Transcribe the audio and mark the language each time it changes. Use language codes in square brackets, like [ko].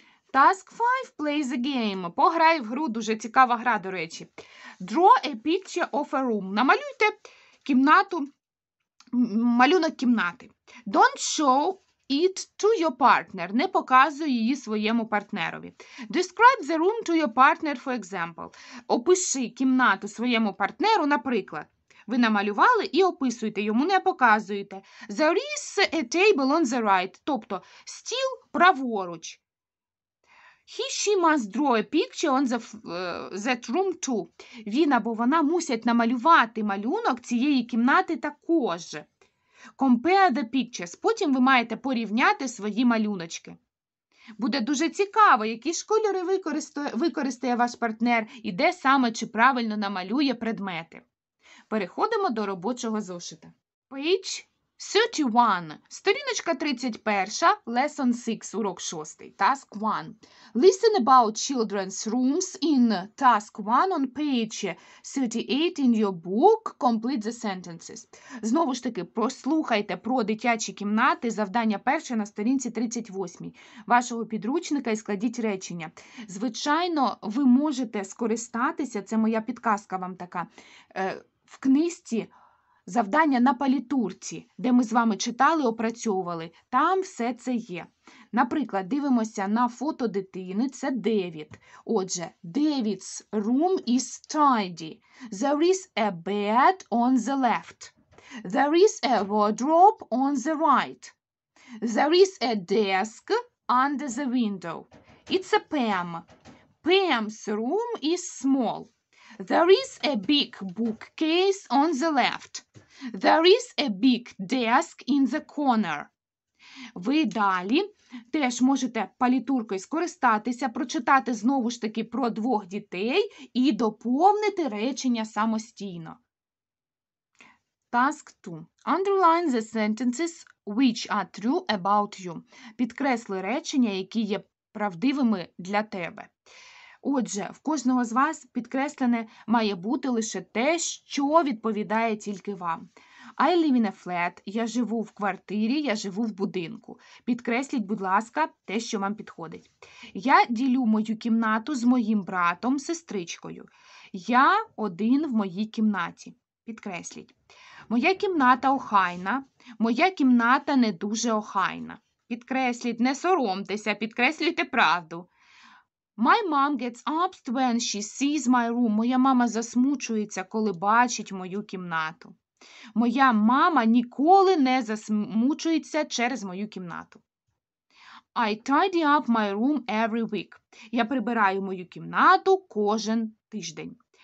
[en] Task 5. Play the game. [uk] Пограй в гру. Дуже цікава гра, до речі. [en] Draw a picture of a room. [uk] Намалюйте кімнату, малюнок кімнати. [en] Don't show it to your partner. [uk] Не показуй її своєму партнерові. [en] Describe the room to your partner, for example. [uk] Опиши кімнату своєму партнеру, наприклад. Ви намалювали і описуєте, йому не показуєте. [en] There is a table on the right. [uk] Тобто, стіл праворуч. [en] He, she must draw a picture on the, that room too. [uk] Він або вона мусять намалювати малюнок цієї кімнати також. [en] Compare the pictures. [uk] Потім ви маєте порівняти свої малюночки. Буде дуже цікаво, які ж кольори використає ваш партнер і де саме чи правильно намалює предмети. Переходимо до робочого зошита. [en] Page 31. [uk] Сторіночка 31. [en] Lesson 6. [uk] Урок 6. [en] Task 1. Listen about children's rooms in task 1 on page 38 in your book. Complete the sentences. [uk] Знову ж таки, прослухайте про дитячі кімнати. Завдання перше на сторінці 38 вашого підручника і складіть речення. Звичайно, ви можете скористатися, це моя підказка вам така, в книжці «Завдання на палітурці», де ми з вами читали, опрацьовували. Там все це є. Наприклад, дивимося на фото дитини. Це Девід. Отже, [en] David's room is tidy. There is a bed on the left. There is a wardrobe on the right. There is a desk under the window. It's a Pam. Pam's room is small. There is a big bookcase on the left. There is a big desk in the corner. [uk] Ви далі теж можете палітуркою скористатися, прочитати знову ж таки про двох дітей і доповнити речення самостійно. [en] Task 2. Underline the sentences which are true about you. [uk] Підкресли речення, які є правдивими для тебе. Отже, в кожного з вас підкреслене має бути лише те, що відповідає тільки вам. [en] I live in a flat. [uk] Я живу в квартирі, я живу в будинку. Підкресліть, будь ласка, те, що вам підходить. Я ділю мою кімнату з моїм братом, сестричкою. Я один в моїй кімнаті. Підкресліть. Моя кімната охайна. Моя кімната не дуже охайна. Підкресліть, не соромтеся, підкреслюйте правду. [en] My mom gets upset when she sees my room. [uk] Моя мама засмучується, коли бачить мою кімнату. Моя мама ніколи не засмучується через мою кімнату. [en] I tidy up my room every week. [uk] Я прибираю мою кімнату кожен тиждень.